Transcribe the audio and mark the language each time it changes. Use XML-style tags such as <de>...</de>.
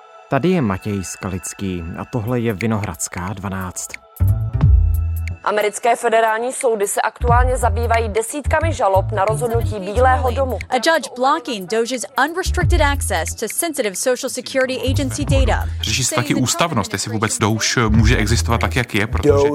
<cs>Tady je Matěj Skalický a tohle je Vinohradská 12. Americké federální soudy se aktuálně zabývají desítkami žalob na rozhodnutí Bílého domu.</cs> <en>A judge blocking DOJ's unrestricted access to sensitive Social Security agency data.</en> <cs>Řeší se taky ústavnost, jestli vůbec DOJ může existovat tak, jak je, protože...</cs>